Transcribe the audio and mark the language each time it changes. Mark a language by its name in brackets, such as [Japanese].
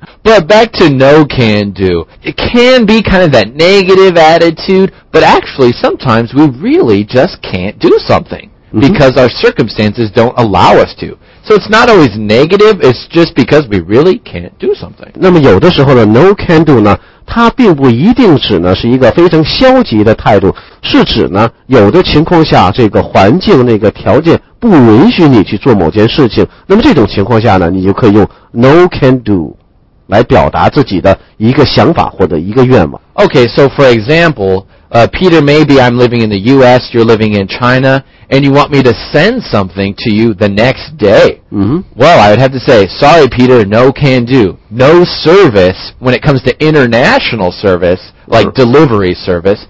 [English] But back to no-can-do, it can be kind of that negative attitude, but actually sometimes we really just can't do something. Because our circumstances don't allow us to. So it's not always negative, it's just because we really can't do something. [Chinese] 那么有的时候呢 ,no can do 呢它并不一定指呢是一个非常消极的态度是指呢有的情况下这个环境那个条件不允许你去做某件事情那么这种情况下呢你就可以用 no can do 来表达自己的一个想法或者一个愿望。 [English] Okay, so for example, Peter, maybe I'm living in the U.S., you're living in China, and you want me to send something to you the next day. Mm-hmm. Well, I would have to say, sorry, Peter, no can do. No service, when it comes to international service, like delivery service,